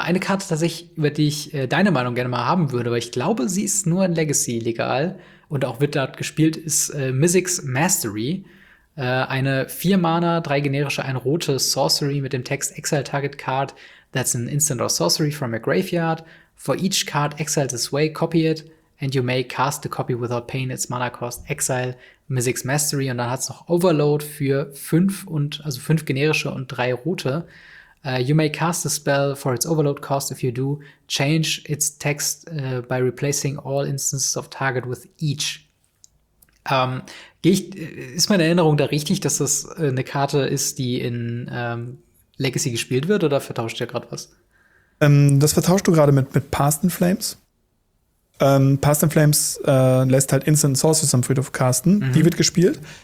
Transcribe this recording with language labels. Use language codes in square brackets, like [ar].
[de] Eine Karte tatsächlich, über die ich deine Meinung gerne mal haben würde, weil ich glaube, sie ist nur in Legacy legal und auch wird dort gespielt, ist Mizzic's Mastery. Eine 4-Mana, 3 generische, 1 rote Sorcery mit dem Text [en] Exile Target Card. That's an instant or sorcery from your graveyard. For each card exiled this way, copy it. And you may cast the copy without paying its mana cost. Exile Mizzic's Mastery. [de] Und dann hat's noch Overload für 5 und, also 5 generische und 3 rote. [en] You may cast the spell for its overload cost. If you do, change its text by replacing all instances of target with each. [de] Ist meine Erinnerung da richtig, dass das eine Karte ist, die in Legacy gespielt wird, oder vertauscht ihr gerade was? Das vertauscht du gerade mit Past and Flames. Past and Flames lässt halt Instant Sources am Friedhof casten. Mhm. Die wird gespielt.